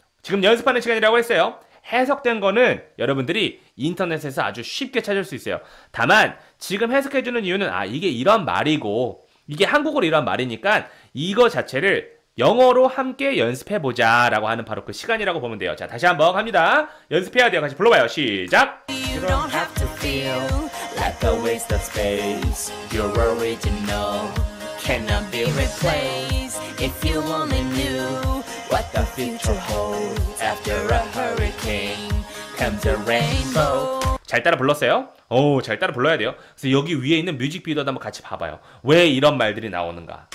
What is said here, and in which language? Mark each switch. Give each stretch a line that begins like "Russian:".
Korean: 지금 연습하는 시간이라고 했어요. 해석된 거는 여러분들이 인터넷에서 아주 쉽게 찾을 수 있어요. 다만 지금 해석해주는 이유는 아, 이게 이런 말이고 이게 한국어로 이런 말이니까 이거 자체를 영어로 함께 연습해보자 라고 하는 바로 그 시간이라고 보면 돼요. 자, 다시 한번 갑니다. 연습해야 돼요. 같이 불러봐요. 시작!
English: You don't have to feel like a waste of space. You're original. cannot be replaced. If you only knew what the future holds after a hurricane comes a rainbow.
Korean: 잘 따라 불렀어요? 오, 잘 따라 불러야 돼요. 그래서 여기 위에 있는 뮤직비디오도 한번 같이 봐봐요. 왜 이런 말들이 나오는가?